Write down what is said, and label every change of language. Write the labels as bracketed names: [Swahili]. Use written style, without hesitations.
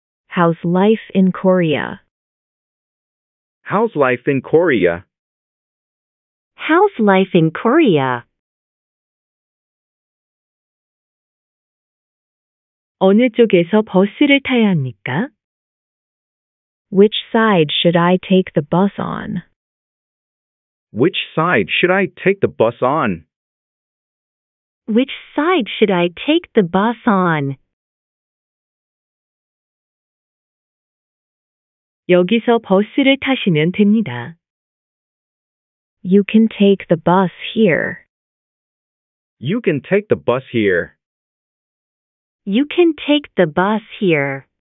[English] How's life in Korea? How's life in Korea? How's life in Korea? [Korean] 어느 쪽에서 버스를 타야 합니까? [English] Which side should I take the bus on? Which side should I take the bus on? Which side should I take the bus on? [Korean] 여기서 버스를 타시면 됩니다. [English] You can take the bus here. You can take the bus here. You can take the bus here.